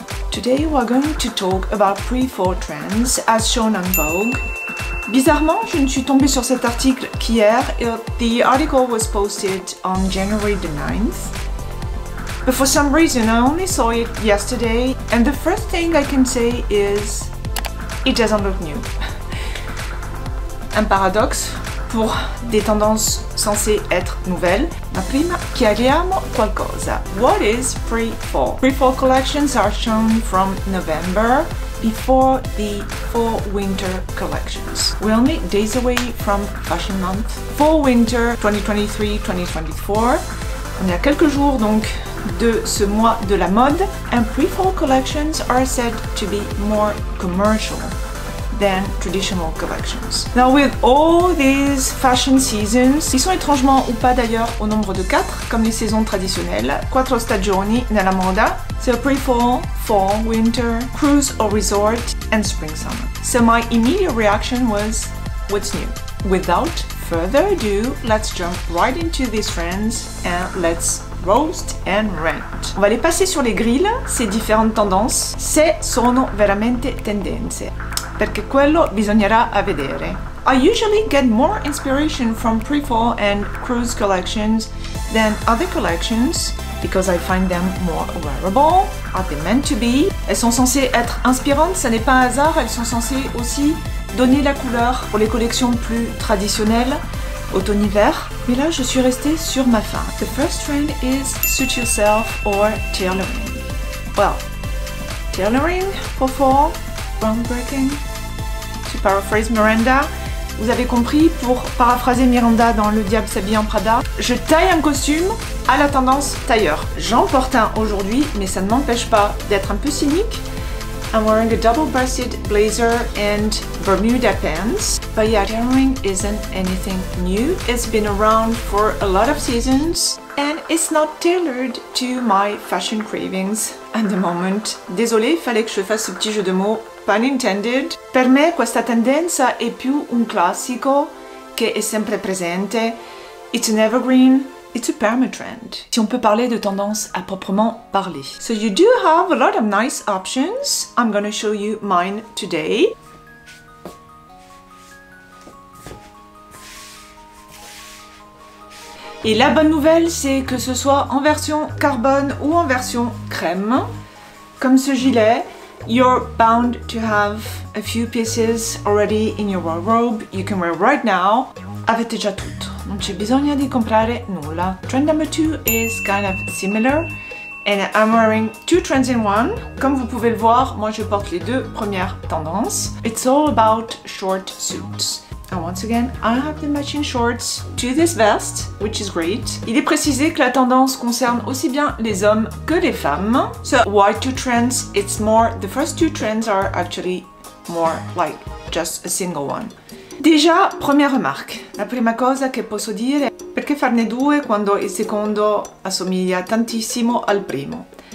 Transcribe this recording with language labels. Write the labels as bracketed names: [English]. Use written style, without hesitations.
[English] Today we're going to talk about pre-fall trends as shown on Vogue. [French] Bizarrement, je ne suis tombée sur cet article qu'hier. [English] The article was posted on January the 9th. But for some reason, I only saw it yesterday. And the first thing I can say is, it doesn't look new. [French] Un paradoxe pour des tendances censées être nouvelles. [Italian] Ma prima, chiariamo qualcosa. [English] What is pre-fall? Pre-fall collections are shown from November before the fall winter collections. We're only days away from fashion month. Fall winter [French] 2023-2024. On est à quelques jours donc de ce mois de la mode. [English] And pre-fall collections are said to be more commercial than traditional collections. Now with all these fashion seasons, [French] ils sont étrangement ou pas d'ailleurs au nombre de 4 comme les saisons traditionnelles. [Italian] Quattro stagioni nella moda. [English] So pre-fall, fall, winter, cruise or resort, and spring summer. So my immediate reaction was, what's new? Without further ado, let's jump right into these trends and let's roast and rant. [French] On va les passer sur les grilles, ces différentes tendances. [Italian] Se sono veramente tendenze. Perché quello bisognerà a vedere. [English] I usually get more inspiration from pre-fall and cruise collections than other collections because I find them more wearable. Are they meant to be? [French] Elles sont censées être inspirantes, ça n'est pas un hasard. Elles sont censées aussi donner la couleur pour les collections plus traditionnelles, automne-hiver. Mais là, je suis restée sur ma faim. [English] The first trend is suit yourself or tailoring. Well, tailoring for fall. Groundbreaking. To paraphrase Miranda, [French] vous avez compris, pour paraphraser Miranda dans Le Diable s'habille en Prada, je taille un costume à la tendance tailleur. J'en porte un aujourd'hui, mais ça ne m'empêche pas d'être un peu cynique. [English] I'm wearing a double-breasted blazer and Bermuda pants. But yeah, tailoring isn't anything new. It's been around for a lot of seasons. And it's not tailored to my fashion cravings at the moment. [French] Désolée, fallait que je fasse ce petit jeu de mots. [English] Pun intended. [Italian] Per me questa tendenza è più un classico che è sempre presente. [English] It's an evergreen. It's a permatrend. [French] Si on peut parler de tendance à proprement parler. [English] So you do have a lot of nice options. I'm gonna show you mine today. [French] Et la bonne nouvelle, c'est que ce soit en version carbone ou en version crème, comme ce gilet, [English] you're bound to have a few pieces already in your wardrobe you can wear right now. [Italian] Avete già tutto, non c'è bisogno di comprare nulla. [English] Trend number two is kind of similar, and I'm wearing two trends in one. [French] Comme vous pouvez le voir, moi je porte les deux premières tendances. [English] It's all about short suits. And once again, I have the matching shorts to this vest, which is great. [French] Il est précisé que la tendance concerne aussi bien les hommes que les femmes. [English] So, why two trends? It's more, the first two trends are actually more like just a single one. [French] Déjà, première remarque. [Italian] La prima cosa che posso dire, perché farne due quando il secondo assomiglia tantissimo al primo?